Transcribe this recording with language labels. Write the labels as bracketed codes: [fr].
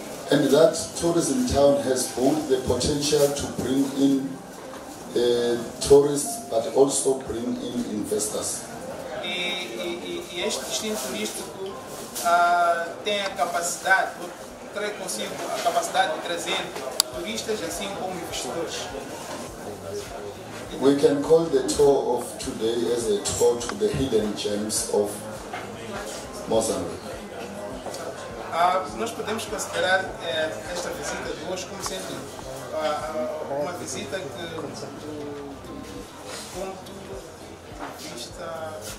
[en] And that tourism town has both the potential to bring in tourists, but also bring in investors. [pt] E este destino turístico tem a capacidade, trai consigo a capacidade de trazer turistas assim como investidores. [en] We can call the tour of today as a tour to the hidden gems of Mozambique. [pt] Nós podemos considerar esta visita de hoje como sendo uma visita que do ponto de vista